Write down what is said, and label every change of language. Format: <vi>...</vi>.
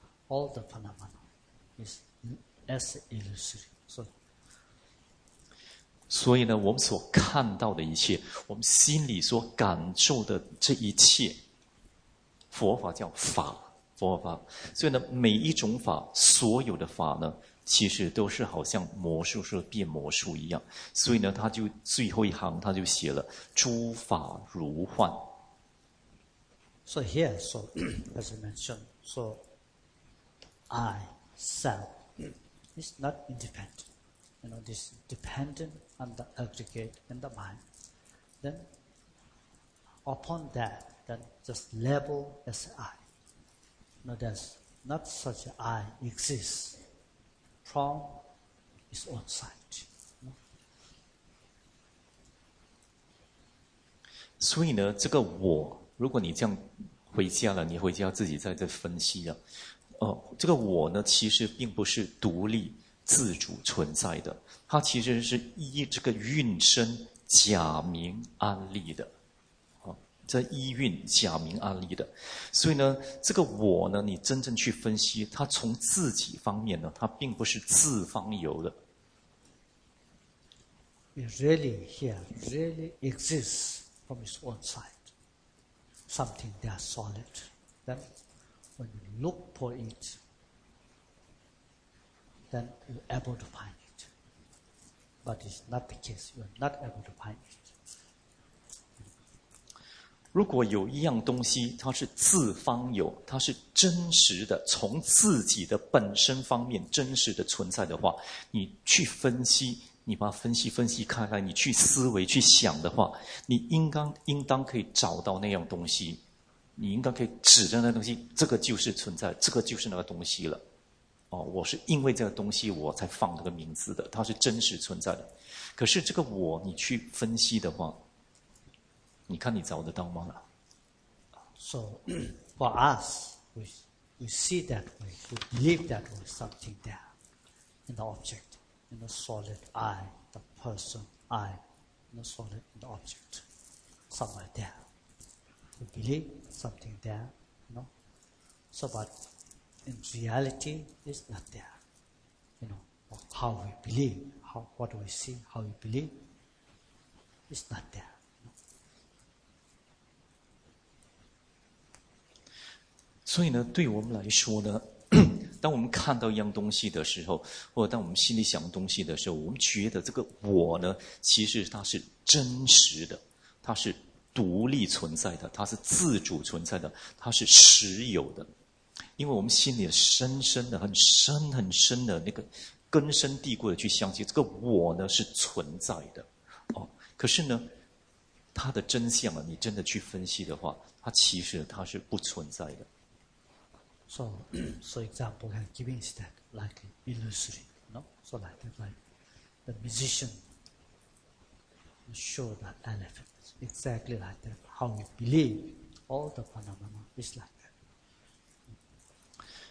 <en>All the phenomenon is as an illusion. So,</en> <zh>所以呢，我们所看到的一切，我们心里所感受的这一切，佛法叫法，佛法。所以呢，每一种法，所有的法呢，其实都是好像魔术师变魔术一样。所以呢，他就最后一行，他就写了"诸法如幻"。</zh> <en>So here, so as I mentioned, so I self is not independent. You know, this dependent on the aggregate and the mind. Then upon that, then just label as I. You know, there's not such an I exists from its own sight. You know?</en> <zh>所以呢，这个我，如果你这样回家了，你回家自己再分析啊。这个我呢，其实并不是独立自主存在的，它其实是依这个运生假名安立的，这依运假名安立的。所以呢，这个我呢，你真正去分析，它从自己方面呢，它并不是自方有的。</zh> <en>It really here, really exists from its own side. Something that is solid. Then, when you look for it, then you're able to find it. But it's not the case. You're not able to find it.</en> <zh>如果有一样东西，它是自方有，它是真实的，从自己的本身方面真实的存在的话，你去分析。你把分析分析开来，你去思维去想的话，你应当可以找到那样东西，你应该可以指着那东西，这个就是存在，这个就是那个东西了。哦，我是因为这个东西我才放那个名字的，它是真实存在的。可是这个我，你去分析的话，你看你找得到吗？</zh> <en>So for us, we see that way, we believe that way, something there in the object. In the solid I, the person I, in the solid in the object, somewhere there. We believe something there, you know. So, but in reality, it's not there. You know, how we believe, how, what we see, how we believe, it's not there. You know?</en> <zh>所以呢，对我们来说呢，当我们看到一样东西的时候，或者当我们心里想东西的时候，我们觉得这个我呢，其实它是真实的，它是独立存在的，它是自主存在的，它是实有的。因为我们心里深深的、很深很深的那个根深蒂固的去相信这个我呢是存在的。哦，可是呢，它的真相啊，你真的去分析的话，它其实它是不存在的。</zh> <en>So example I'm giving is that like illusory, no? So like that, like the musician show the elephant. Exactly like that. How we believe all the phenomena is like that.</en>